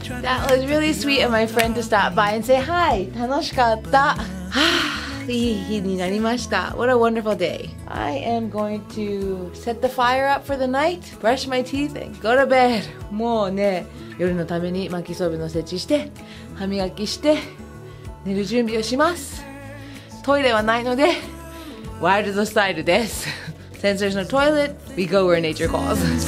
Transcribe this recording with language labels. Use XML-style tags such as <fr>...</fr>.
<en>That was really sweet of my friend to stop by and say hi.</en> <ja>楽しかった。いい日になりました。</ja> <en>What a wonderful day. I am going to set the fire up for the night, brush my teeth, and go to bed.</en> <ja>もうね、夜のために巻きそびの設置して、歯磨きして、寝る準備をします。トイレはないので、ワイルドスタイルです。</ja> <en>Since there's no toilet, we go where nature calls.</en>